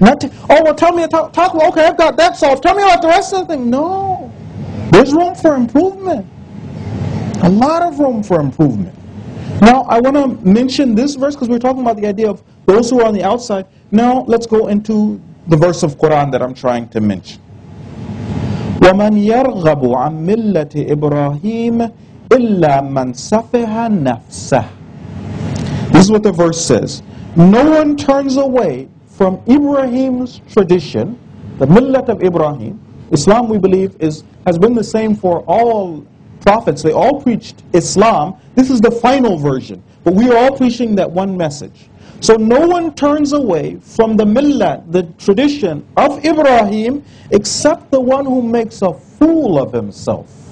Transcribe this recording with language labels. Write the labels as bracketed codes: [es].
[en] Not to, oh, well, tell me taqwa, okay, I've got that solved, tell me about the rest of the thing. No. There's room for improvement. A lot of room for improvement. Now, I want to mention this verse because we're talking about the idea of those who are on the outside. Now, let's go into the verse of Quran that I'm trying to mention. [ar] وَمَنْ يَرْغَبُ عَنْ مِلَّةِ إِبْرَاهِيمِ إِلَّا مَنْ سَفِهَ نَفْسَهِ [en] This is what the verse says. No one turns away from Ibrahim's tradition, the millat of Ibrahim. Islam, we believe, has been the same for all prophets, they all preached Islam. This is the final version. But we are all preaching that one message. So no one turns away from the millah, the tradition of Ibrahim, except the one who makes a fool of himself.